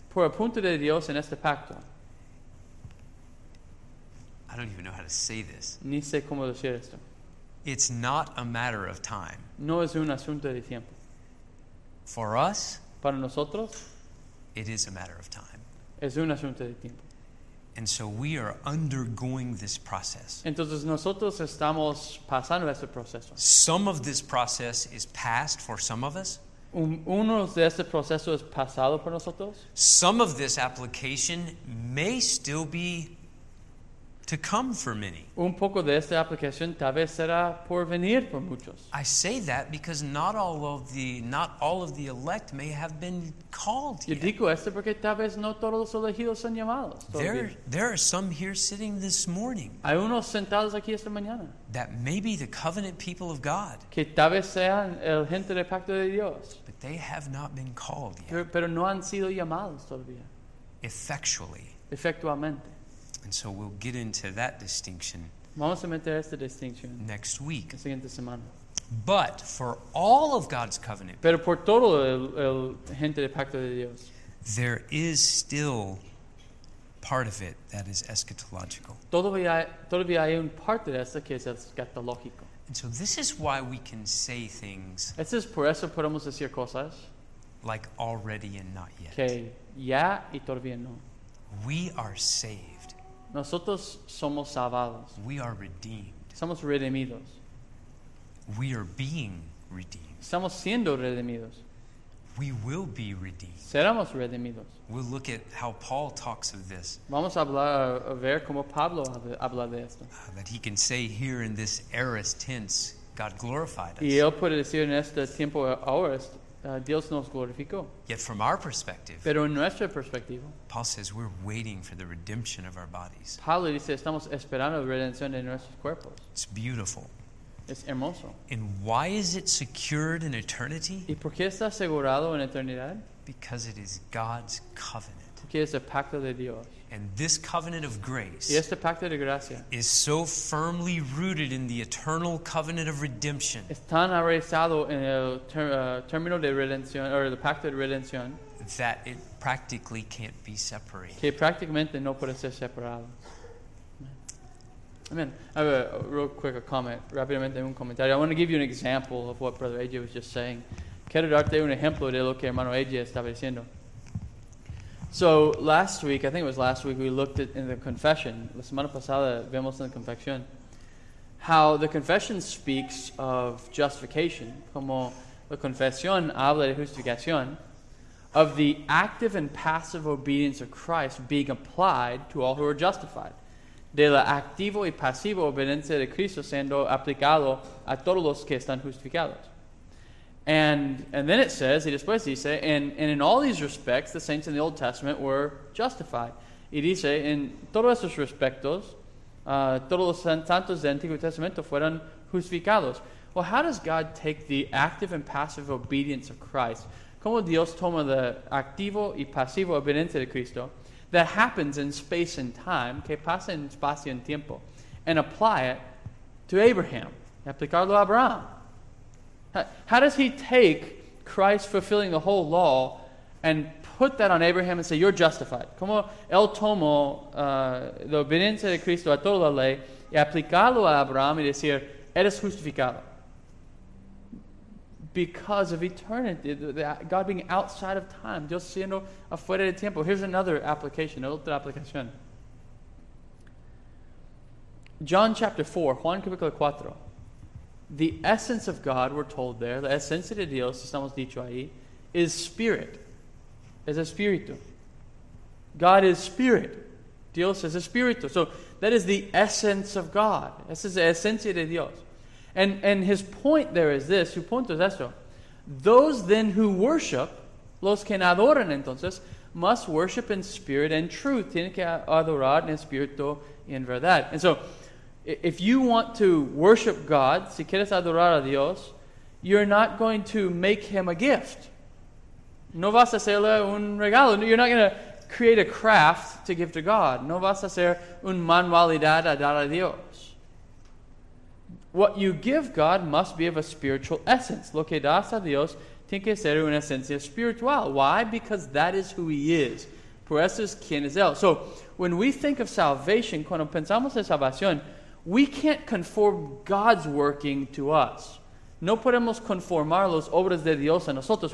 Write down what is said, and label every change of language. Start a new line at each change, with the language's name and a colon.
Spanish: por el punto de Dios en este pacto,
English: I don't even know how to say this.
Spanish: Ni sé cómo decir esto.
English: It's not a matter of time.
Spanish: No es un asunto de tiempo.
English: For us,
Spanish: para nosotros,
English: it is a matter of time.
Spanish: Es un asunto de tiempo.
English: And so we are undergoing this process.
Spanish: Entonces nosotros estamos pasando este proceso.
English: Some of this process is past for some of us.
Spanish: Uno de este proceso es pasado por nosotros.
English: Some of this application may still be to come for many.
Spanish: Un poco de esta aplicación tal vez será por venir por muchos.
English: I say that because not all of the elect may have been called yet.
Spanish: Yo digo esto porque tal vez no todos los elegidos son llamados.
English: There are some here sitting this morning.
Spanish: Hay unos sentados aquí esta mañana.
English: That may be the covenant people of God.
Spanish: Que tal vez sean el gente del pacto de Dios.
English: But they have not been called yet.
Spanish: Pero no han sido llamados todavía.
English: Effectually.
Spanish: Efectualmente.
English: And so we'll get into that distinction.
Spanish: Vamos a meter esta distinción
English: next week.
Spanish: La siguiente semana.
English: But for all of God's covenant,
Spanish: pero por todo el gente del pacto de Dios,
English: there is still part of it that is eschatological.
Spanish: Todavía hay un parte de esto que es escatológico.
English: And so this is why we can say things.
Spanish: Esto es por eso podemos decir cosas
English: like already and not yet.
Spanish: Que ya y todavía no.
English: We are saved.
Spanish: Nosotros somos salvados.
English: We are redeemed.
Spanish: Somos redimidos.
English: We are being redeemed.
Spanish: Estamos siendo redimidos.
English: We will be redeemed.
Spanish: Seremos redimidos.
English: We'll look at how Paul talks of this.
Spanish: Vamos a ver cómo Pablo habla de esto.
English: That he can say here in this aorist tense, God glorified us.
Spanish: Y él puede decir en este tiempo aorist, Dios nos glorificó.
English: Yet from our perspective,
Spanish: pero en nuestra perspectiva,
English: Paul says we're waiting for the redemption of our bodies.
Spanish: Pablo dice estamos esperando la redención de nuestros cuerpos.
English: It's beautiful.
Spanish: Es hermoso.
English: And why is it secured in eternity?
Spanish: ¿Y por qué está asegurado en eternidad?
English: Because it is God's covenant.
Spanish: Porque es el pacto de Dios.
English: And this covenant of grace,
Spanish: y este pacto de gracia,
English: is so firmly rooted in the eternal covenant of redemption.
Spanish: Es tan arraigado en el término de redención or el pacto de redención
English: that it practically can't be separated.
Spanish: Que prácticamente no puede ser separado.
English: Amen. I have a real quick a comment.
Spanish: Rápidamente un comentario.
English: I want to give you an example of what Brother AJ was just saying.
Spanish: Quiero darte un ejemplo de lo que hermano AJ estaba diciendo.
English: So last week, I think it was last week, we looked at in the confession.
Spanish: La semana pasada vemos en la confesión
English: how the confession speaks of justification,
Spanish: como la confesión habla de justificación,
English: of the active and passive obedience of Christ being applied to all who are justified,
Spanish: de la activo y pasivo obediencia de Cristo siendo aplicado a todos los que están justificados.
English: And then it says,
Spanish: y después dice,
English: and in all these respects, the saints in the Old Testament were justified.
Spanish: Y dice, en todos esos respectos, todos los santos del Antiguo Testamento fueron justificados.
English: Well, how does God take the active and passive obedience of Christ?
Spanish: ¿Cómo Dios toma la activo y pasivo obediencia de Cristo
English: that happens in space and time,
Spanish: que pasa en espacio y tiempo,
English: and apply it to Abraham,
Spanish: aplicarlo a Abraham?
English: How does he take Christ fulfilling the whole law and put that on Abraham and say, you're justified?
Spanish: ¿Cómo él tomó la obediencia de Cristo a toda la ley y aplicarlo a Abraham y decir, eres justificado?
English: Because of eternity, God being outside of time,
Spanish: Dios siendo afuera de tiempo.
English: Here's another application,
Spanish: otra aplicación.
English: John chapter 4,
Spanish: Juan capítulo 4.
English: The essence of God, we're told there,
Spanish: la esencia de Dios, estamos dicho ahí,
English: is spirit.
Spanish: Es espíritu.
English: God is spirit.
Spanish: Dios es espíritu.
English: So that is the essence of God.
Spanish: Esa es la esencia de Dios.
English: And his point there is this.
Spanish: Su punto es esto.
English: Those then who worship,
Spanish: los que adoran entonces,
English: must worship in spirit and truth.
Spanish: Tienen que adorar en espíritu y en verdad.
English: And so, if you want to worship God,
Spanish: si quieres adorar a Dios,
English: you're not going to make him a gift.
Spanish: No vas a hacerle un regalo.
English: You're not going to create a craft to give to God.
Spanish: No vas a hacer un manualidad a dar a Dios.
English: What you give God must be of a spiritual essence.
Spanish: Lo que das a Dios tiene que ser una esencia espiritual.
English: Why? Because that is who He is.
Spanish: Por eso es quien es Él.
English: So, when we think of salvation,
Spanish: cuando pensamos en salvación,
English: we can't conform God's working to us.
Spanish: No podemos conformar las obras de Dios a nosotros.